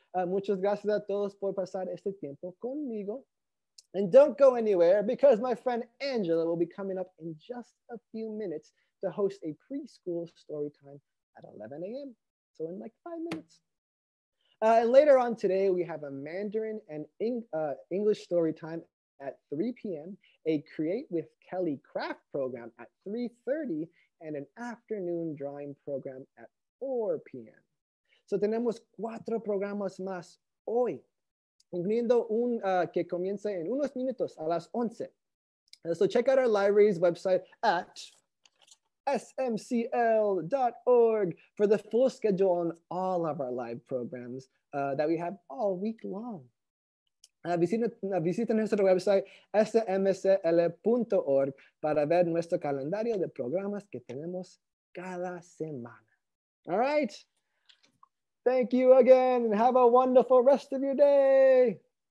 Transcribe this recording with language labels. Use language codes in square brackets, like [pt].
[es] Muchas gracias a todos por pasar este tiempo conmigo. [en] And don't go anywhere because my friend Angela will be coming up in just a few minutes to host a preschool story time at 11 a.m. So in like 5 minutes. And later on today we have a Mandarin and English story time at 3 p.m. A Create with Kelly craft program at 3:30, and an afternoon drawing program at 4 p.m. [es] So tenemos cuatro programas más hoy, incluyendo un que comienza en unos minutos a las 11. [en] So check out our library's website at smcl.org for the full schedule on all of our live programs that we have all week long. [es] Visita nuestro website smcl.org para ver nuestro calendario de programas que tenemos cada semana. [en] All right. Thank you again and have a wonderful rest of your day.